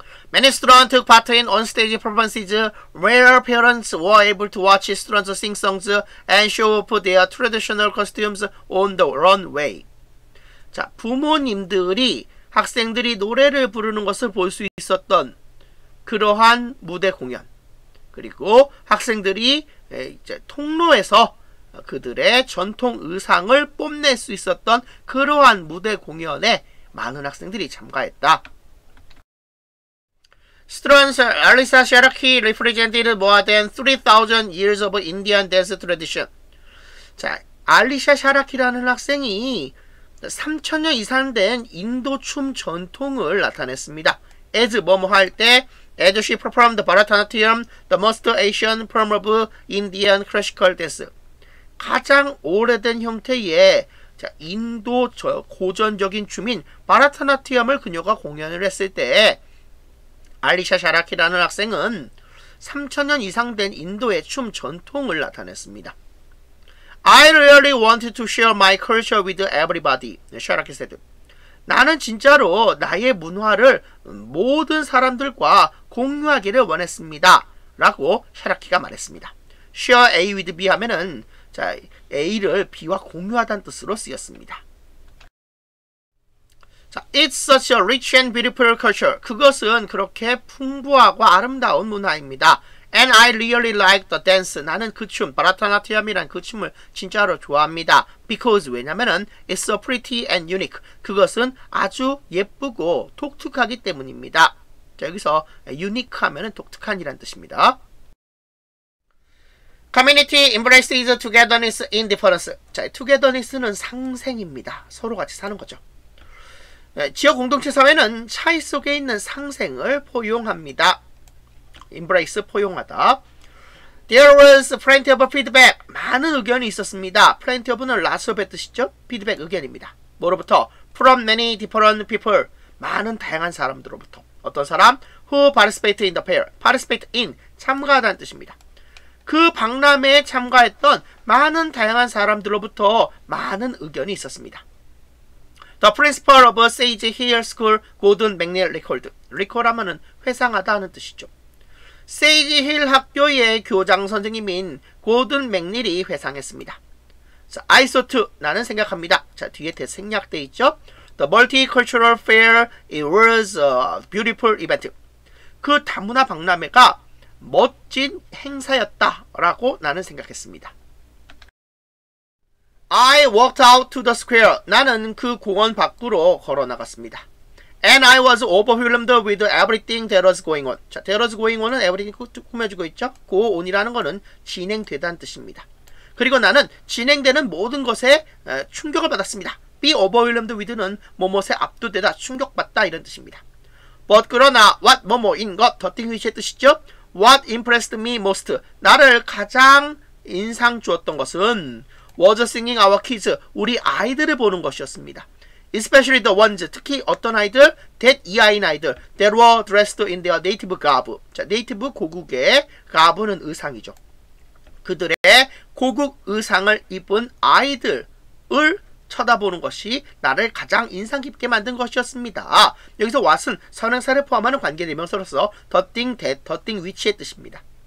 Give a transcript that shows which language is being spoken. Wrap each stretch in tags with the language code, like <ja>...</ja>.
<en>Many students took part in on stage performances where parents were able to watch students sing songs and show off their traditional costumes on the runway.</en> <ko>자, 부모님들이 학생들이 노래를 부르는 것을 볼 수 있었던 그러한 무대 공연. 그리고 학생들이 이제 통로에서 그들의 전통 의상을 뽐낼 수 있었던 그러한 무대 공연에 많은 학생들이 참가했다.</ko> <en>Students, Alisa Cherokee represented more than 3,000 years of Indian dance tradition. 자,</en> <ko>알리샤 샤라키라는 학생이 3000년 이상 된 인도춤 전통을 나타냈습니다.</ko> <en>As</en> <ko>뭐뭐 할 때</ko> <en>As she performed the Bharatanatyam, the most Asian form of Indian classical dance.</en> <ko>가장 오래된 형태의 자, 인도 저 고전적인 춤인 바라타나티엄을 그녀가 공연을 했을 때 알리샤 샤라키라는 학생은 3000년 이상 된 인도의 춤 전통을 나타냈습니다.</ko> <en>I really wanted to share my culture with everybody. 샤라키 said.</en> <ko>나는 진짜로 나의 문화를 모든 사람들과 공유하기를 원했습니다. 라고 샤라키가 말했습니다.</ko> <en>Share A with B</en> <ko>하면은 자, A를 B와 공유하다는 뜻으로 쓰였습니다.</ko> <en>자, It's such a rich and beautiful culture.</en> <ko>그것은 그렇게 풍부하고 아름다운 문화입니다.</ko> <en>And I really like the dance.</en> <ko>나는 그 춤, 바라타나티엄이란 그 춤을 진짜로 좋아합니다.</ko> <en>Because,</en> <ko>왜냐면은,</ko> <en>It's so pretty and unique.</en> <ko>그것은 아주 예쁘고 독특하기 때문입니다. 자, 여기서 unique 하면은 독특한이란 뜻입니다.</ko> <en>Community embraces togetherness in difference.</en> <ko>자, togetherness는 상생입니다. 서로 같이 사는 거죠. 지역 공동체 사회는 차이 속에 있는 상생을 포용합니다.</ko> <en>Embrace, 포용하다. There was plenty of feedback.</en> <ko>많은 의견이 있었습니다. Plenty of는 lots of의 뜻이죠. Feedback, 의견입니다. 뭐로부터?</ko> <en>From many different people.</en> <ko>많은 다양한 사람들로부터. 어떤 사람?</ko> <en>Who participate in the fair. Participate in,</en> <ko>참가하다는 뜻입니다. 그 박람회에 참가했던 많은 다양한 사람들로부터 많은 의견이 있었습니다.</ko> <en>The principal of Sage Hill School, Gordon McNeil recalled.</en> <ko>Recall 하면은 회상하다 하는 뜻이죠. Sage Hill 학교의 교장 선생님인 Gordon McNeil이 회상했습니다.</ko> <en>So, I thought,</en> <ko>나는 생각합니다. 자, 뒤에 대생략돼 있죠.</ko> <en>The multicultural fair, it was a beautiful event.</en> <ko>그 다문화 박람회가 멋진 행사였다 라고 나는 생각했습니다.</ko> <en>I walked out to the square.</en> <ko>나는 그 공원 밖으로 걸어 나갔습니다.</ko> <en>And I was overwhelmed with everything that was going on.</en> <ko>자,</ko> <en>there was going on</en> <ko>은 everything 꾸며주고 있죠. Go on이라는 거는 진행되다는 뜻입니다. 그리고 나는 진행되는 모든 것에 충격을 받았습니다.</ko> <en>Be overwhelmed with</en> <ko>는 뭐뭐에 압도되다, 충격받다 이런 뜻입니다.</ko> <en>But</en> <ko>그러나</ko> <en>what</en> <ko>뭐뭐인 것,</ko> <en>the thing which의 뜻이죠. What impressed me most,</en> <ko>나를 가장 인상 주었던 것은</ko> <en>was singing our kids,</en> <ko>우리 아이들을 보는 것이었습니다.</ko> <en>Especially the ones,</en> <ko>특히 어떤 아이들?</ko> <en>That</en> <ko>이 아이 아이들,</ko> <en>that were dressed in their native garb.</en> <ko>자, native 고국의 garb는 의상이죠. 그들의 고국 의상을 입은 아이들을 쳐다보는 것이 나를 가장 인상 깊게 만든 것이었습니다. 여기서 what은 선행사를 포함하는 관계대명사로서 the thing, that, the thing, which의 뜻입니다.</ko>